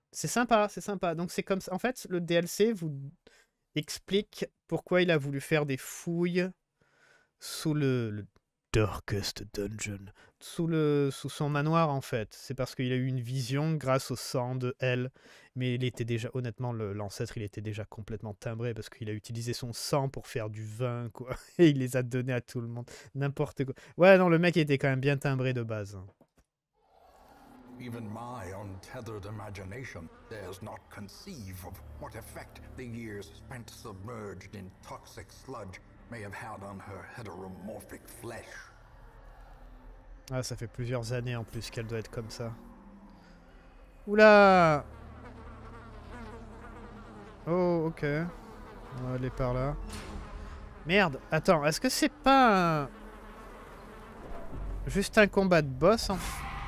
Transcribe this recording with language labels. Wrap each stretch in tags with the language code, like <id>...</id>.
<fr>C'est sympa, c'est sympa. Donc c'est comme ça. En fait, le DLC vous explique pourquoi il a voulu faire des fouilles sous le Darkest Dungeon, sous son manoir en fait. C'est parce qu'il a eu une vision grâce au sang de Elle, mais il était déjà, honnêtement, l'ancêtre, il était déjà complètement timbré parce qu'il a utilisé son sang pour faire du vin, quoi. Et il les a donnés à tout le monde, n'importe quoi. Ouais, non, le mec était quand même bien timbré de base.</fr> <en>Even my untethered imagination dares not conceive of what effect the years spent submerged in toxic sludge may have had on her heteromorphic flesh.</en> <fr>Ah, ça fait plusieurs années en plus qu'elle doit être comme ça. Oula! Oh, ok. On va aller par là. Merde, attends, est-ce que c'est pas juste un combat de boss en fait?</fr>